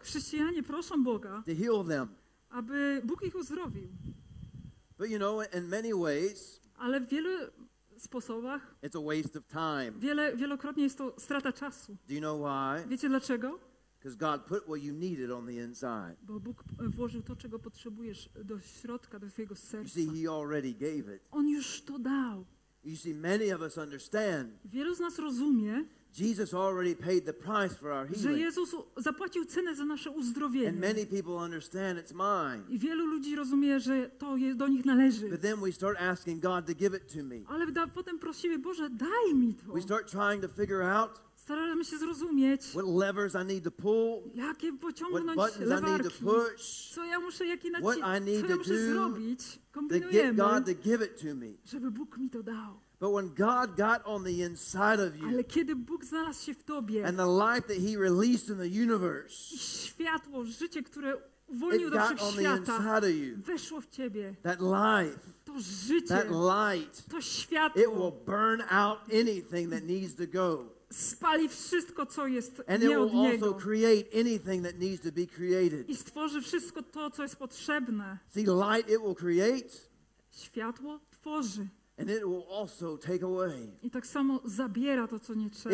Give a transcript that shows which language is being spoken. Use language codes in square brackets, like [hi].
[pl] chrześcijanie proszą Boga, [en] to heal them, [pl] aby Bóg ich uzdrowił. [en] But you know, in many ways, [pl] ale w wielu sposobach, [en] it's a waste of time. [pl] Wielokrotnie jest to strata czasu. [en] Do you know why? [pl] Wiecie dlaczego? [en] Because God put what you needed on the inside. [pl] Bo Bóg włożył to, czego potrzebujesz do środka, do twojego serca. [en] You see, he already gave it. [pl] On już to dał. [en] You see, many of us understand. [pl] Wielu z nas rozumie. [en] Jesus already paid the price for our healing. [pl] Że Jezus zapłacił cenę za nasze uzdrowienie. [en] And many people understand it's mine. [pl] I wielu ludzi rozumie, że to jest do nich należy. [en] But then we start asking God to give it to me. [pl] Ale potem prosimy, Boże, daj mi to. [en] We start trying to figure out. [pl] Staramy się zrozumieć. [en] What levers I need to pull? [pl] Jakie pociągnąć lewarki? [en] What buttons I need to push? [pl] Co ja muszę jaki naciskać? [en] What I need to do? To get God to give it to me. [pl] Żeby Bóg mi to dał. [en] But when God got on the inside of you, [pl] ale kiedy Bóg znalazł się w tobie, [en] and the life that he released in the universe, [pl] i światło, życie, które uwolnił do wszechświata, weszło w ciebie. [en] That life, [pl] to życie, [en] that light, [pl] to światło, [en] it will burn out anything that needs to go. [pl] spali wszystko, co jest nie od Niego. [en] And it will also create anything that needs to be created. [pl] I stworzy wszystko to, co jest potrzebne. [en] See, light it will create. [pl] Światło tworzy. [en] And it will also take away. [pl] I tak samo zabiera to, co nie trzeba.